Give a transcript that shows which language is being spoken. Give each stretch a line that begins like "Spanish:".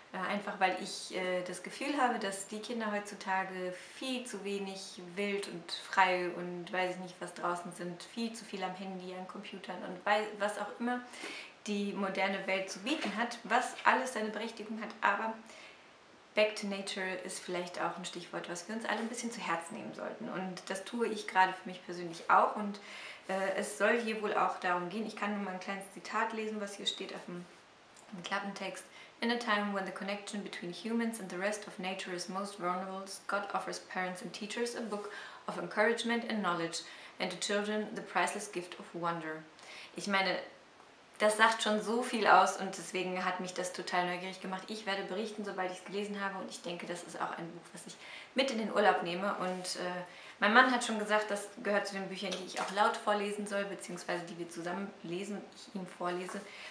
German: Einfach weil ich das Gefühl habe, dass die Kinder heutzutage viel zu wenig wild und frei und weiß ich nicht was draußen sind, viel zu viel am Handy, an Computern und was auch immer die moderne Welt zu bieten hat, was alles seine Berechtigung hat, aber
English: Back to Nature
German: ist vielleicht auch ein Stichwort, was wir uns alle ein bisschen zu Herzen nehmen sollten und das tue ich gerade für mich persönlich auch und es soll hier wohl auch darum gehen, ich kann nur mal ein kleines Zitat lesen, was hier steht auf dem Klappentext.
English: In a time when the connection between humans and the rest of nature is most vulnerable, Scott offers parents and teachers a book of encouragement and knowledge and to children the priceless gift of wonder.
German: Ich meine, das sagt schon so viel aus und deswegen hat mich das total neugierig gemacht. Ich werde berichten, sobald ich es gelesen habe und ich denke, das ist auch ein Buch, was ich mit in den Urlaub nehme. Und mein Mann hat schon gesagt, das gehört zu den Büchern, die ich auch laut vorlesen soll, beziehungsweise die wir zusammen lesen, ich ihm vorlese.